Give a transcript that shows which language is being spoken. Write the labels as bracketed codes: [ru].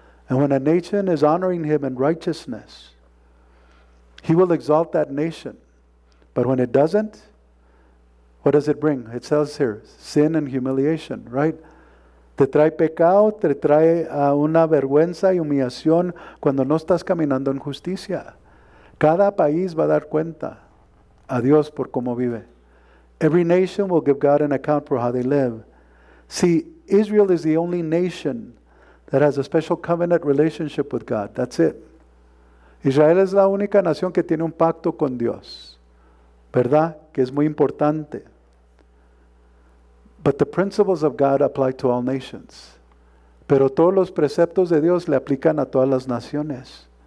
[en] And when a nation is honoring him in righteousness, he will exalt that nation. But when it doesn't, what does it bring? It says here, sin and humiliation, right? [es] Te trae pecado, te trae una vergüenza y humillación cuando no estás caminando en justicia. Cada país va a dar cuenta a Dios por cómo vive. [en] Every nation will give God an account for how they live. See, Israel is the only nation that has a special covenant relationship with God. That's it. [es] Israel es la única nación que tiene un pacto con Dios, ¿verdad? Que es muy importante. [en] But the principles of God apply to all nations. [es] Pero todos los preceptos de Dios le aplican a todas las naciones.